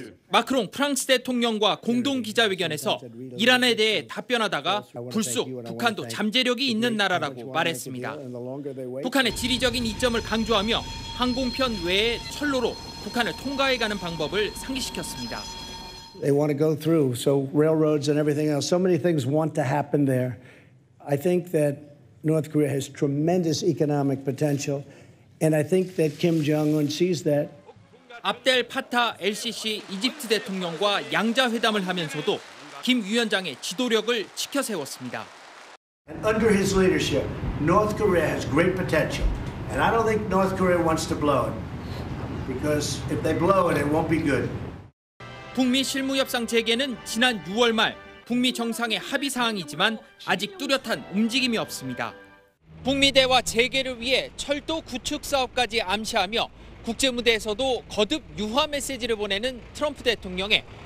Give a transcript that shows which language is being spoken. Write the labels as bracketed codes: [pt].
[ko] 마크롱 프랑스 대통령과 공동 기자회견에서 이란에 대해 답변하다가 불쑥 북한도 잠재력이 있는 나라라고 말했습니다. 북한의 지리적인 이점을 강조하며 항공편 외에 철로로 북한을 통과해가는 방법을 상기시켰습니다. [en] They want to go through, so railroads and everything else, so many things want to happen there. I think that North Korea has tremendous economic potential, and I think that Kim Jong-un sees that. [ko] 압델 파타 LCC 이집트 대통령과 양자 회담을 하면서도 김 위원장의 지도력을 치켜세웠습니다. [en] Under his leadership, North Korea has great potential, and I don't think North Korea wants to blow it because if they blow it, it won't be good. [ko] 북미 실무 협상 재개는 지난 6월 말 북미 정상의 합의 사항이지만 아직 뚜렷한 움직임이 없습니다. 북미 대화 재개를 위해 철도 구축 사업까지 암시하며. 국제 무대에서도 거듭 유화 메시지를 보내는 트럼프 대통령의